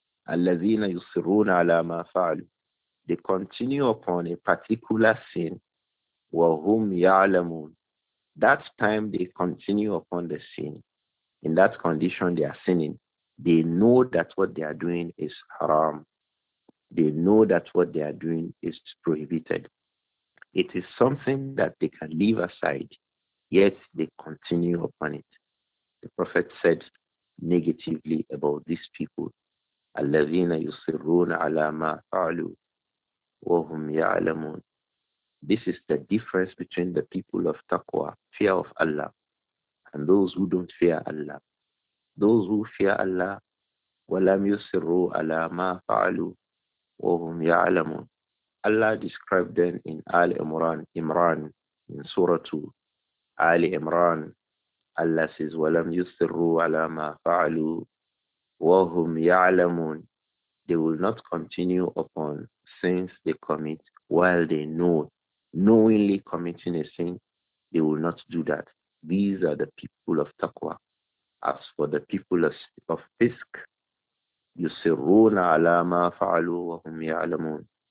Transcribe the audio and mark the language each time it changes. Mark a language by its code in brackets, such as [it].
[ar] الذين يصرون على ما فعلوا. [en] They continue upon a particular sin, [ar] وهم يعلمون. [en] That time they continue upon the sin. In that condition they are sinning. They know that what they are doing is haram. They know that what they are doing is prohibited. It is something that they can leave aside, yet they continue upon it. The Prophet said negatively about these people, [ar] الَّذِينَ يُصِرُّونَ عَلَى مَا فَعْلُوا وَهُمْ يَعْلَمُونَ. [en] This is the difference between the people of taqwa, fear of Allah, and those who don't fear Allah. Those who fear Allah, [ar] وَلَمْ يُصِرُّوا عَلَى مَا فَعْلُوا وَهُمْ يَعْلَمُونَ. [en] Allah described them in Al Imran, in Surah 2, Al Imran. Allah says, [ar] وَلَمْ يُصِرُّوا عَلَى مَا فَعْلُوا وَهُمْ يَعْلَمُونَ. [en] They will not continue upon sins they commit while they know, knowingly committing a sin, they will not do that. These are the people of taqwa. As for the people of fisk, [ar] يُصِرُّونَ عَلَى مَا فَعْلُوا وَهُمْ يَعْلَمُونَ.